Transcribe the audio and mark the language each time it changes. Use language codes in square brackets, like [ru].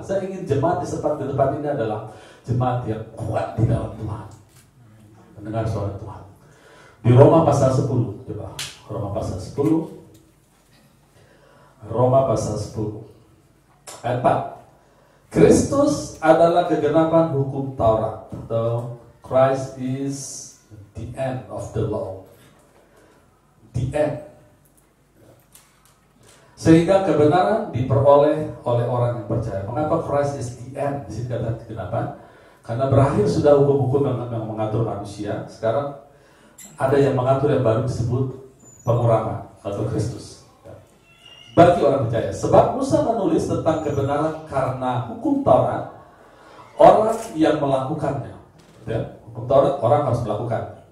[id] Saya ingin jemaat di depan ini adalah jemaat yang kuat di dalam Tuhan. Mendengar suara Tuhan. Di Roma pasal 10. Coba. Roma pasal 10. Roma pasal 10. Ayat 4. Kristus adalah kegenapan hukum Taurat. Atau [en] Christ is the end of the law. The end. [id] Sehingga kebenaran diperoleh oleh orang yang percaya. Mengapa [en] Christ is the end? [id] Di sini kata kegenapan. Karena berakhir sudah hukum-hukum yang mengatur manusia. Sekarang ada yang mengatur yang baru disebut pengurangan atau Kristus. Bagi orang percaya. Sebab Musa menulis tentang kebenaran karena hukum Taurat. Orang yang melakukannya. Ya, hukum Taurat orang harus melakukan.